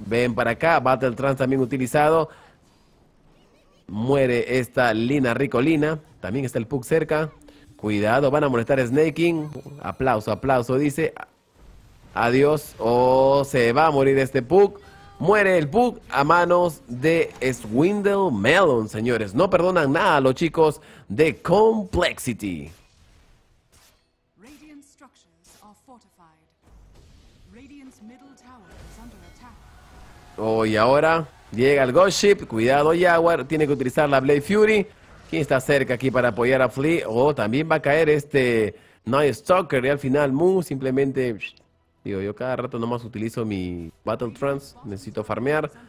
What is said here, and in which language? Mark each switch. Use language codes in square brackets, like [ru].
[es] Ven para acá, Battle Trans también utilizado. Muere esta Lina Ricolina, también está el Pug cerca. Cuidado, van a molestar a Snaking. Aplauso, aplauso, dice. Adiós, se va a morir este Pug. Muere el Pug a manos de Swindle Melon, señores. No perdonan nada a los chicos de Complexity. [en] Radiant structures are fortified. Radiant's middle tower is under attack. [es] Oh, y ahora llega el Ghost Ship. Cuidado, Jaguar. Tiene que utilizar la Blade Fury. ¿Quién está cerca aquí para apoyar a Flea? También va a caer este Night Stalker y al final Moon simplemente... Digo, yo cada rato nomás utilizo mi Battle Trance, necesito farmear.